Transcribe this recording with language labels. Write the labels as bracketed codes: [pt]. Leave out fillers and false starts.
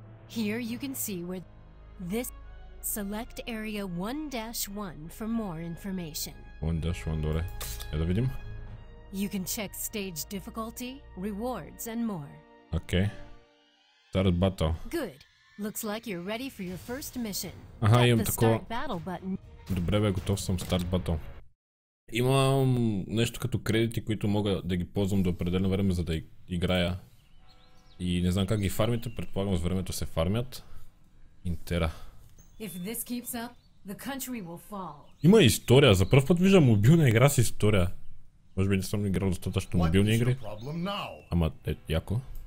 [en] Here you can see where this select area 1-1 for more information. [bg] 1-1, добре. Я да видим. [en] You can check stage difficulty, rewards, and more. Okay. Start battle. Good. Looks like you're ready for your first mission. [bg] Aha, имам такова. [en] Start battle button. [bg] Добре, бе, готов съм. [en] Start battle. [bg] Имам нещо като кредити, които мога да ги ползвам до определено време, за да играя. И не знам как ги фармите, предполагам с времето се фармят. Интера. [en] If this keeps up, the country will fall. [bg] Има история. За пръв път виждам мобилна игра с история. Може би не съм играл достатъчно мобилни игри. Ама, е, яко.